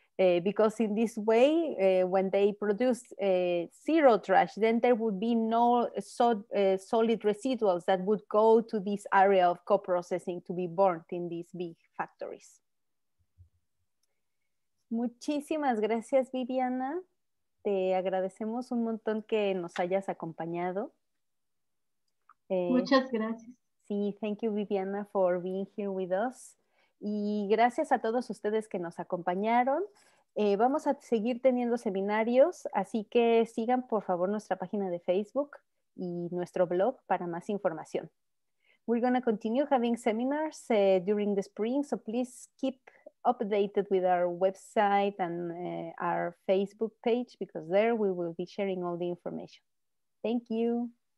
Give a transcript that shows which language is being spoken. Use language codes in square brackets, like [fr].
[en] Because in this way, when they produce zero trash, then there would be no solid residuals that would go to this area of co-processing to be burnt in these big factories. [es] Muchísimas gracias, Viviana. Te agradecemos un montón que nos hayas acompañado. Muchas gracias. [en] Sí, thank you, Viviana, for being here with us. [es] Y gracias a todos ustedes que nos acompañaron. Vamos a seguir teniendo seminarios, así que sigan por favor nuestra página de Facebook y nuestro blog para más información. [en] We're going to continue having seminars during the spring, so please keep updated with our website and our Facebook page, because there we will be sharing all the information. Thank you.